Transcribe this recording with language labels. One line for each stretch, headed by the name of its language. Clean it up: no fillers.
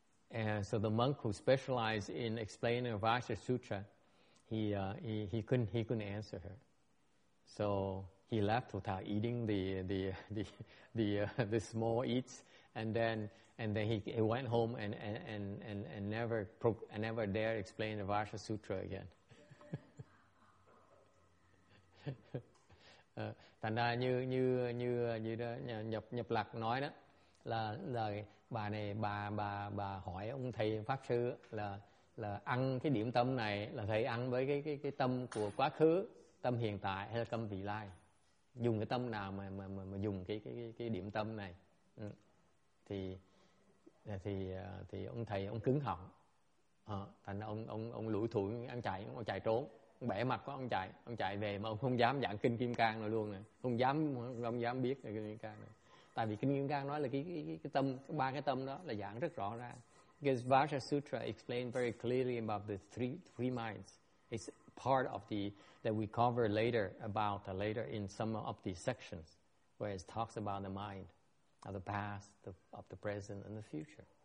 English: And so the monk who specialized in explaining Vajra Sutra, he couldn't answer her. So he left without eating the small eats, and then he went home and never dared explain the Vajra Sutra again.
Vietnamese: Thành ra như đó, nhập lạc nói đó là bà này bà hỏi ông thầy pháp sư là ăn cái điểm tâm này là thầy ăn với cái tâm của quá khứ, tâm hiện tại hay là tâm vị lai, dùng cái tâm nào mà dùng cái điểm tâm này thì ông thầy ông cứng họng, thành ra ông lủi thủi ông chạy trốn. Bẻ mặt quá, ông chạy về mà ông không dám giảng Kinh Kim Cang nữa luôn nè, không dám biết Kinh Kim Cang nữa, tại vì Kinh Kim Cang nói là cái tâm, ba cái tâm đó là giảng rất rõ ràng,
English: Because Vajra Sutra explained very clearly about the three minds. It's part of the that we cover later about later in some of the sections, where it talks about the mind of the past, of the present, and the future.